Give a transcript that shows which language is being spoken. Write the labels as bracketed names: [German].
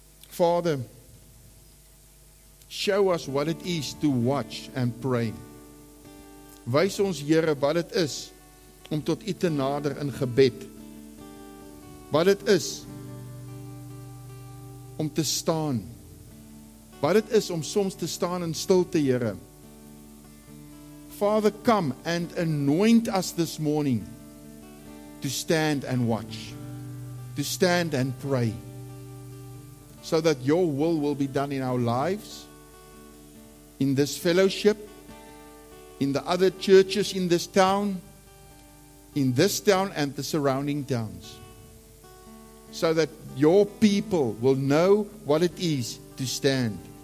[English] Vader, show us what it is to watch and pray. [Afrikaans] Wys ons Here wat het is om tot U te nader in gebed. Wat het is om te staan. Wat het is om soms te staan in stilte, Here. [English] Father, come and anoint us this morning to stand and watch, to stand and pray, so that Your will be done in our lives, in this fellowship, in the other churches in this town and the surrounding towns, so that Your people will know what it is to stand.